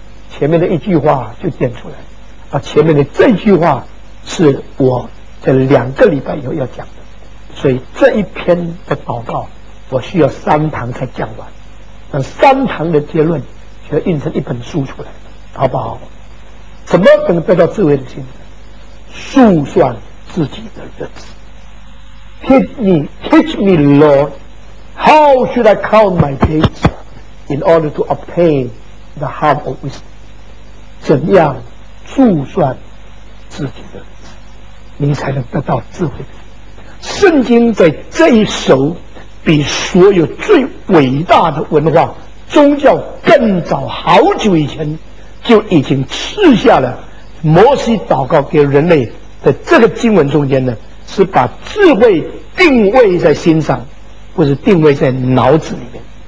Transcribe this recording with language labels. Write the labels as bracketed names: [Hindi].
[Chinese] 前面的一句话就点出来啊，前面的这句话是我在两个礼拜以后要讲的，所以这一篇的祷告我需要三堂才讲完，那三堂的结论就要印成一本书出来，好不好？怎么能得到智慧的心呢？数算自己的日子。 [English] Teach me Lord, how should I count my days in order to obtain the heart of wisdom? [Chinese] 怎样数算自己的日子你才能得到智慧的心？圣经在这一首比所有最伟大的文化宗教更早好久以前就已经赐下了摩西祷告给人类的这个经文中间呢，是把智慧定位在心上，或是定位在脑子里面。